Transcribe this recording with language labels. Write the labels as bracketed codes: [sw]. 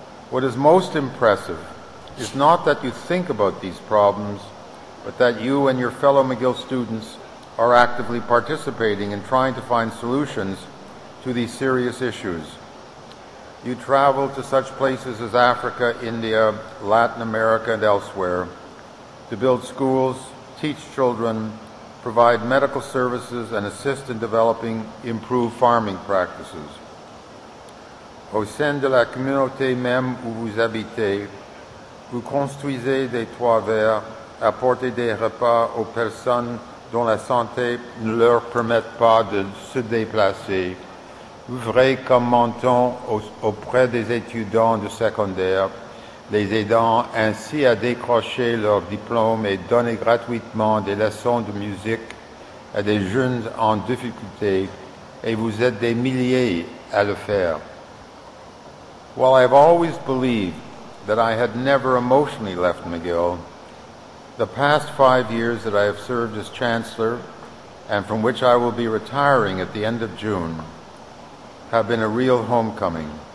[en] What is most impressive is not that you think about these problems, but that you and your fellow McGill students are actively participating in trying to find solutions to these serious issues. You travel to such places as Africa, India, Latin America, and elsewhere to build schools, teach children, provide medical services, and assist in developing improved farming practices. [fr] Au sein de la communauté même où vous habitez, vous construisez des toits verts, apportez des repas aux personnes dont la santé ne leur permet pas de se déplacer. Ouvrez comme menton auprès des étudiants de secondaire, les aidant ainsi à décrocher leur diplôme et donner gratuitement des leçons de musique à des jeunes en difficulté, et vous êtes des milliers à le faire. [en] While I have always believed that I had never emotionally left McGill, the past 5 years that I have served as chancellor, and from which I will be retiring at the end of June, have been a real homecoming.